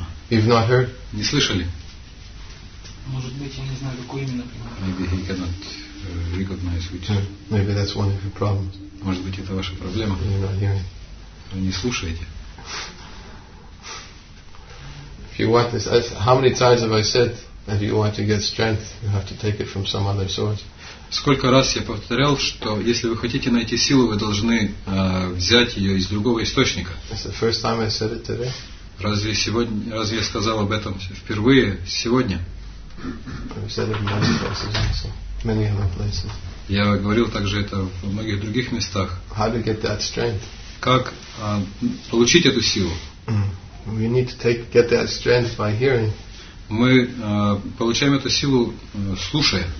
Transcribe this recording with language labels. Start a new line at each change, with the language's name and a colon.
English: You've not heard?
Russian: Не слышали? Может быть, я не знаю, какой именно пример.
English: Maybe he cannot recognize which. Maybe that's one of your problems.
Russian: Может быть, это ваша проблема. Вы не слушаете.
English: If you want this, how many times have I said that if you want to get strength, you have to take it from some other source?
Russian: Сколько раз я повторял, что если вы хотите найти силу, вы должны взять ее из другого источника.
English: It's the first time I said it today.
Russian: Разве я сказал об этом впервые сегодня?
English: I've said it in many places also. Many other places.
Russian: Я говорил также это в многих других местах.
English: How to get that strength?
Russian: Как получить эту силу?
English: We need to get that strength by hearing.
Russian: Мы получаем эту силу слушая.